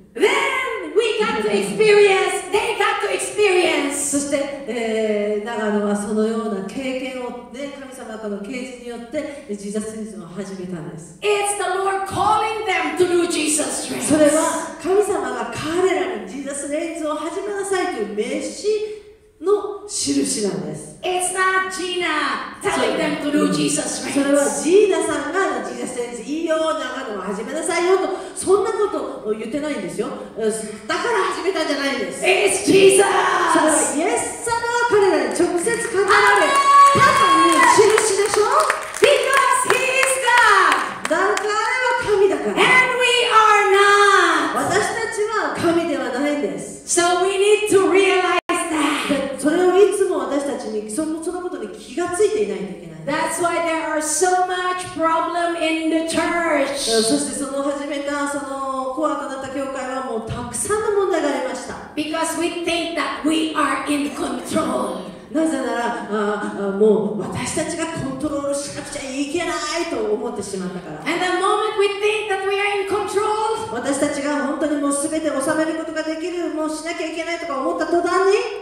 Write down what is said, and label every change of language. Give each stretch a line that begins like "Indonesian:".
English: Then we got to experience they got to experience
Japanese: そして、長野はそのような経験を、ね、神様からの啓示によってジーザス・レイズを始めたんです
English: It's the Lord calling them to do Jesus
Japanese: Reigns それは神様が彼らにジーザス・レイズを始めなさいという名刺の印なんです
English: It's not Gina telling them to do Jesus Reigns
Japanese: それはジーナさんがジーザス・レイズいいよ長野を始めなさいよとそんなことを言ってないんですよだから始めたんじゃないんです
English: It's Jesus
Japanese: それはイエス様が彼らに直接語られるただの印でしょ
English: Because he is God
Japanese: だから彼は神だから
English: And we are not
Japanese: 私たちは神ではないんです
English: So we need to realize
Japanese: そのことに気がついていないといけない。
English: That's why there are so much problem in the church.
Japanese: そしてその始めたそのコアとなった教会はもうたくさんの問題がありました。
English: Because we think that we are in control.
Japanese: なぜならもう私たちがコントロールしなくちゃいけないと思ってしまったから。
English: And the moment we think that we are in control,
Japanese: 私たちが本当にもうすべて収めることができるもうしなきゃいけないとか思った途端に、